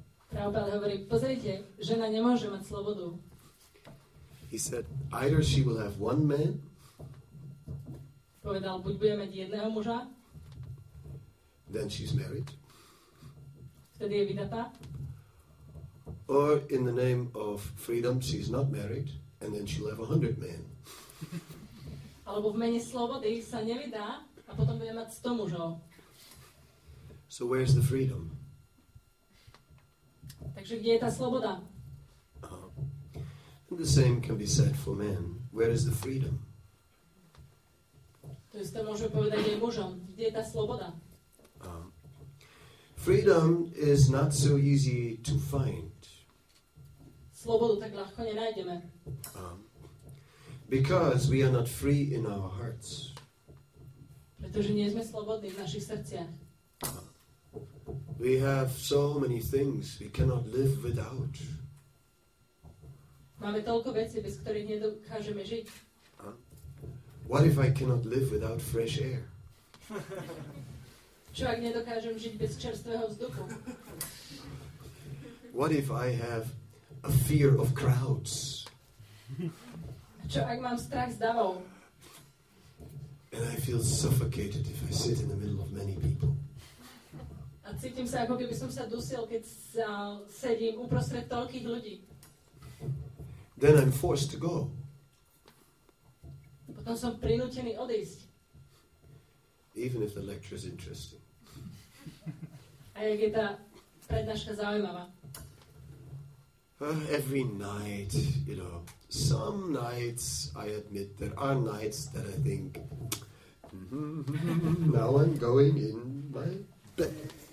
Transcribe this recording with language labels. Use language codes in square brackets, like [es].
[sk] Prabhupada hovorí, pozrite, žena nemôže mať slobodu. [en] He said, either she will have one man, [sk] povedal, buď bude mať jedného muža, [en] then she's married, [sk] vtedy je vydatá, [en] or in the name of freedom, she's not married, and then she'll have 100 men. [sk] Alebo v mene slobody sa nevydá a potom bude mať 100 mužov. [en] So where's the freedom? [sk] Takže kde je tá sloboda? [en] And the same can be said for men. Where is the freedom? [sk] To isté môžeme povedať aj mužom. Kde je tá sloboda? [en] Freedom is not so easy to find. [sk] Slobodu tak ľahko nenájdeme. [en] Because we are not free in our hearts. [sk] Pretože nie sme slobodní v našich srdciach. [en] We have so many things we cannot live without. [sk] Máme toľko vecí, bez ktorých nedokážeme žiť. [en] What if I cannot live without fresh air? [sk] Čo ak nedokážem žiť bez čerstvého vzduchu? [en] What if I have a fear of crowds? [sk] Čo ak mám strach z davov? [en] And I feel suffocated if I sit in the middle of many people. [sk] A cítim sa, ako keby som sa dusil, keď sedím uprostred toľkých ľudí. [en] Then I'm forced to go. [sk] Potom som prinútený odísť. [en] Even if the lecture is interesting. [sk] A jak je tá prednáška zaujímavá. [en] Every night, you know, some nights, I admit, there are nights that I think, now I'm going in my bed.